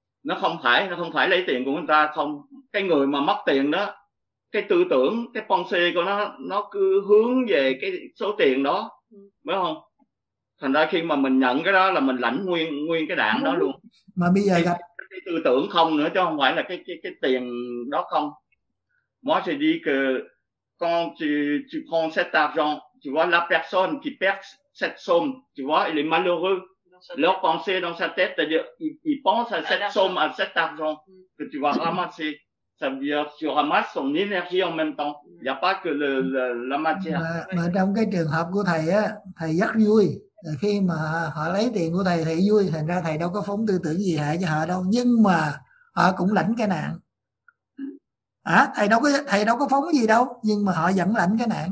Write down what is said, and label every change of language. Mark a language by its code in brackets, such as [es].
[vi] Nó không phải lấy tiền của người ta, không, cái người mà mất tiền đó, cái tư tưởng, cái Ponzi của nó cứ hướng về cái số tiền đó, phải không? Thành ra khi mà mình nhận cái đó là mình lãnh nguyên nguyên cái đạn đó luôn. Mà bây giờ gặp cái tư tưởng không nữa, chứ không phải là cái tiền đó không. [fr] Moi j'ai dit que quand tu prends cet argent, tu vois la personne qui perd cette somme, tu vois, il est malheureux. Leur pensée dans sa tête, c'est-à-dire il pense à cette somme, à cet argent que tu vas ramasser. Ça veut dire tu ramasses son énergie en même temps. Il y a pas que la matière. [vi] Mà trong cái trường hợp của thầy á, thầy rất vui. Khi mà họ lấy tiền của thầy thì vui, thành ra thầy đâu có phóng tư tưởng gì hại cho họ đâu, nhưng mà họ cũng lãnh cái nạn. À, thầy đâu có phóng gì đâu, nhưng mà họ vẫn lãnh cái nạn.